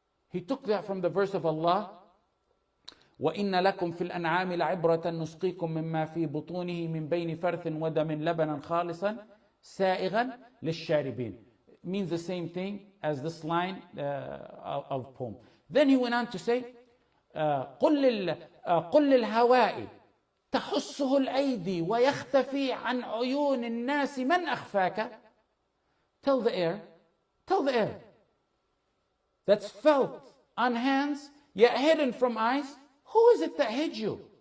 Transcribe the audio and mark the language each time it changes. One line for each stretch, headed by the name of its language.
English: He took that from the verse of Allah.
Arabic: وَإِنَّ لَكُمْ فِي الْأَنْعَامِ لَعِبْرَةً نُسْقِيكُمْ مِمَّا فِي بُطُونِهِ مِنْ بَيْنِ فَرْثٍ وَدَمٍ لَبَنًا خَالِصًا سَائِغًا لِلشَّارِبِينَ.
English: Means the same thing as this line of poem. Then he went on to say,
Arabic: قل للهواء تحسه الأيدي ويختفي عن عيون الناس من أخفاك.
English: Tell the air, that's felt on hands, yet hidden from eyes, who is it that hid you?